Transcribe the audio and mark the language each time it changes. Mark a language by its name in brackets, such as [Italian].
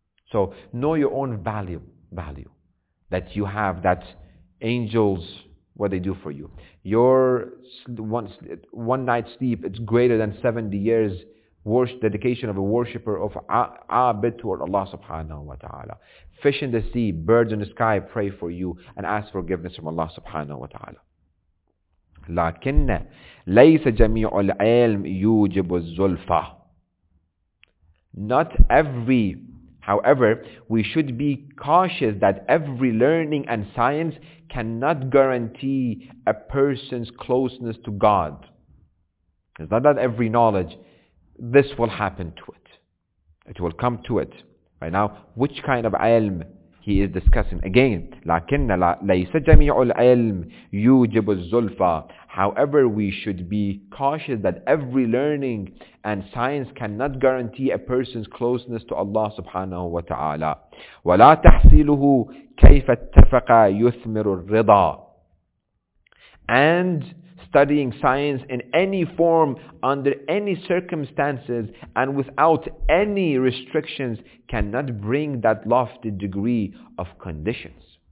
[English] So know your own value that you have, that angels, what they do for you. Your one night sleep, it's greater than 70 years worship, dedication of a worshipper of abid toward Allah subhanahu wa ta'ala. Fish in the sea, birds in the sky pray for you and ask forgiveness from Allah subhanahu wa ta'ala. [Arabic] لكن ليس جميع العلم يوجب الزلفة. [English] Not every, however, we should be cautious that every learning and science cannot guarantee a person's closeness to God. It's not that every knowledge, this will happen to it. It will come to it. Right now, which kind of علم he is discussing? [Arabic] Again, لكن ليس جميع العلم يوجب الزلفة. [English] However, we should be cautious that every learning and science cannot guarantee a person's closeness to Allah subhanahu wa ta'ala. [Arabic] وَلَا تَحْصِيلُهُ كَيْفَ اتَّفَقَ يُثْمِرُ الرِّضَى. [English] And studying science in any form, under any circumstances, and without any restrictions cannot bring that lofty degree of conditions.